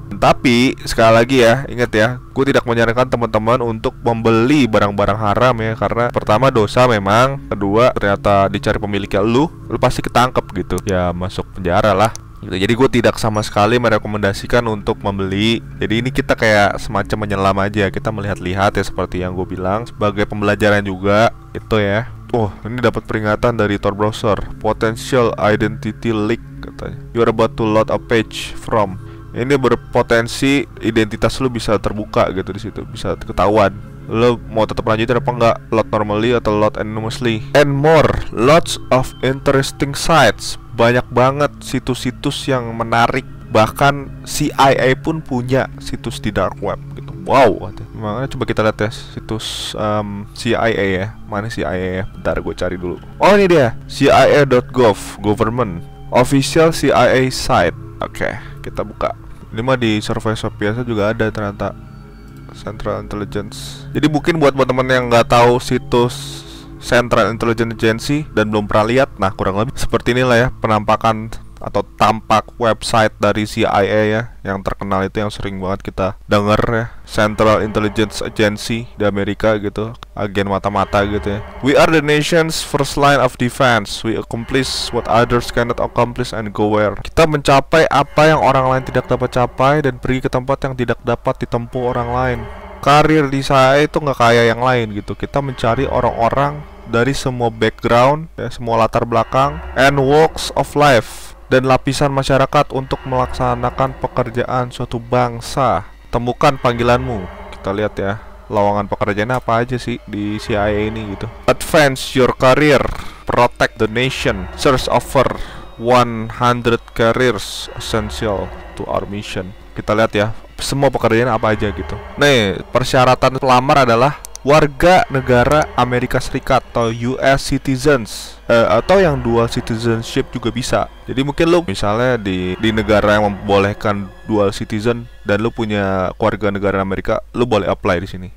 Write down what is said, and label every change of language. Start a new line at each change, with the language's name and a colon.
Indonesian: Tapi sekali lagi ya, ingat ya, gue tidak menyarankan teman-teman untuk membeli barang-barang haram ya, karena pertama dosa memang, kedua ternyata dicari pemiliknya lo pasti ketangkep gitu, ya masuk penjara lah. gitu. Jadi gue tidak sama sekali merekomendasikan untuk membeli. Jadi ini kita kayak semacam menyelam aja, kita melihat-lihat ya, seperti yang gue bilang, sebagai pembelajaran juga itu ya. Oh, ini dapat peringatan dari Tor Browser,
English: potential identity leak
Indonesian: katanya.
English: You are about to load a page from.
Indonesian: Ini berpotensi identitas lu bisa terbuka gitu di situ, bisa ketahuan. Lu mau tetap lanjutin apa enggak?
English: Load normally
Indonesian: atau
English: load anonymously? And more, lots of interesting sites.
Indonesian: Banyak banget situs-situs yang menarik. Bahkan CIA pun punya situs di dark web gitu. Wow. Makanya coba kita lihat ya situs CIA ya. Mana CIA ya? Bentar gue cari dulu. Oh ini dia,
English: CIA.gov, government official CIA site.
Indonesian: Oke, kita buka. Ini mah di survei shop biasa juga ada ternyata, Central Intelligence. Jadi mungkin buat teman-teman yang nggak tahu situs Central Intelligence Agency dan belum pernah lihat, nah kurang lebih seperti inilah ya penampakan atau tampak website dari CIA ya, yang terkenal itu, yang sering banget kita dengar ya, Central Intelligence Agency di Amerika gitu, agen mata-mata gitu ya.
English: We are the nation's first line of defense. We accomplish what others cannot accomplish and go where.
Indonesian: Kita mencapai apa yang orang lain tidak dapat capai dan pergi ke tempat yang tidak dapat ditempuh orang lain. Karir di CIA itu nggak kayak yang lain gitu. Kita mencari orang-orang dari semua background ya, semua latar belakang
English: and walks of life
Indonesian: dan lapisan masyarakat untuk melaksanakan pekerjaan suatu bangsa. Temukan panggilanmu. Kita lihat ya, lowongan pekerjaan apa aja sih di CIA ini gitu.
English: Advance your career, protect the nation, search over 100 careers essential to our mission.
Indonesian: Kita lihat ya, semua pekerjaan apa aja gitu. Nih, persyaratan pelamar adalah warga negara Amerika Serikat atau US citizens, atau yang dual citizenship juga bisa. Jadi mungkin lu misalnya di negara yang membolehkan dual citizen dan lu punya keluarga negara Amerika, lu boleh apply di sini.